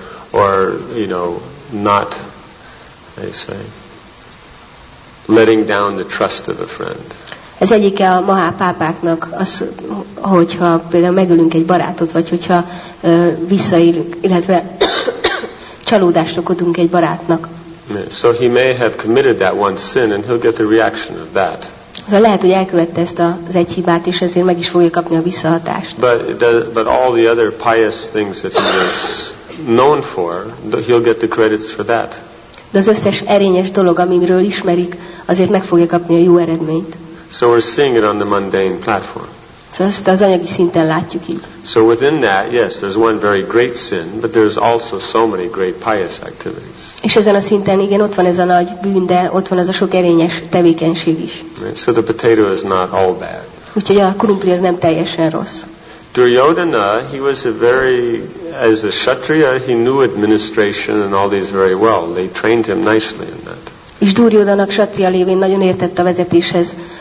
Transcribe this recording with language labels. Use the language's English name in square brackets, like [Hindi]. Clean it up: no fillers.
[English] Or you know, not, how you say, letting down the trust of a friend. [Hungarian] Ez egyike a mahá pápáknak, az, hogyha például megölünk egy barátot, vagy hogyha visszaélünk, illetve csalódást okodunk egy barátnak. [English] So he may have committed that one sin, and he'll get the reaction of that. [Hungarian] Ez lehet, hogy elkövette ezt az egy hibát, és ezért meg is fogja kapni a visszahatást. [English] But all the other pious things that he was known for, he'll get the credits for that. [Hungarian] De az összes erényes dolog, amiről ismerik, azért meg fogja kapni a jó eredményt. [English] So we're seeing it on the mundane platform. [Hungarian] So ezt az anyagi szinten látjuk így. [English] So within that, yes, there's one very great sin, but there's also so many great pious activities. [Hungarian] És ezen a szinten igen, ott van ez a nagy bűn, de ott van ez a sok erényes tevékenység is. [English] Right. So the potato is not all bad. [Hungarian] Úgyhogy a krumpli az nem teljesen rossz. [English] Duryodhana, he was a very, as a kshatriya, he knew administration and all these very well. They trained him nicely in that. [Hungarian] És Duryodhana kshatriya lévén nagyon értett a vezetéshez.